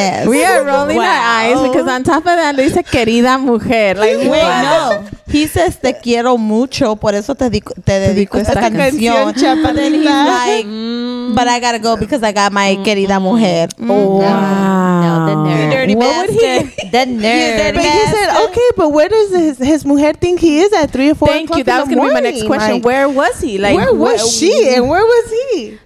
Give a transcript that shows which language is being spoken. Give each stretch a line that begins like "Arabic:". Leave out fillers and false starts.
English: We are rolling our eyes because on top of that,
Spanish: dice querida mujer.
English: Like, wait, no.
Spanish: He says, te quiero mucho, por eso te dedico esta canción.
English: Chapalita. And then he's like, but I gotta go because I got my
Spanish: querida mujer.
English: Oh, wow. The nerd. But he said, okay, but where does his mujer think he is at 3 or 4 o'clock in the morning? Thank you. That was be my next question. Like, where was he? Like, where was she and where was he?